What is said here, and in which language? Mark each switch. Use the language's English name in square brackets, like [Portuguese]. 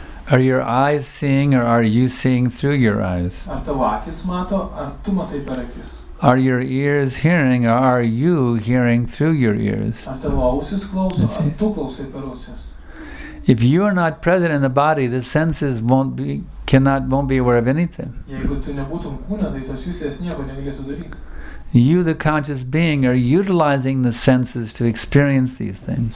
[English] Are your eyes seeing or are you seeing through your eyes? [Lithuanian] Ar tavo akis mato, ar tu matai per akis? [English] Are your ears hearing or are you hearing through your ears? [Lithuanian] Ar tavo ausis klauso, ar tu klausai per ausis? [English] If you are not present in the body, the senses won't be aware of anything. [Lithuanian] Jeigu tu nebūtum kūne, tai tos jūslės nieko negalėtų daryti. [English] You, the conscious being, are utilizing the senses to experience these things.